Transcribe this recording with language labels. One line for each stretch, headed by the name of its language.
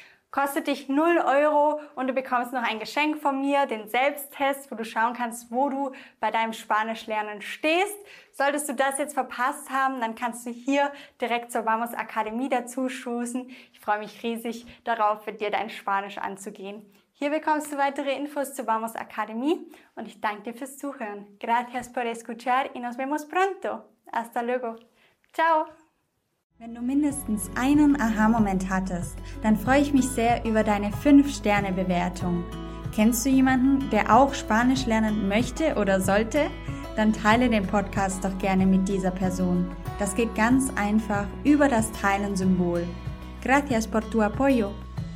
German: Kostet dich 0 Euro und du bekommst noch ein Geschenk von mir, den Selbsttest, wo du schauen kannst, wo du bei deinem Spanischlernen stehst. Solltest du das jetzt verpasst haben, dann kannst du hier direkt zur Vamos Akademie dazustoßen. Ich freue mich riesig darauf, mit dir dein Spanisch anzugehen. Hier bekommst du weitere Infos zur Vamos Akademie und ich danke dir fürs Zuhören.
Spanish: Gracias por escuchar y nos vemos pronto. Hasta luego. Ciao.
German: Wenn du mindestens einen Aha-Moment hattest, dann freue ich mich sehr über deine 5-Sterne-Bewertung. Kennst du jemanden, der auch Spanisch lernen möchte oder sollte? Dann teile den Podcast doch gerne mit dieser Person. Das geht ganz einfach über das Teilen-Symbol.
Spanish: Gracias por tu apoyo.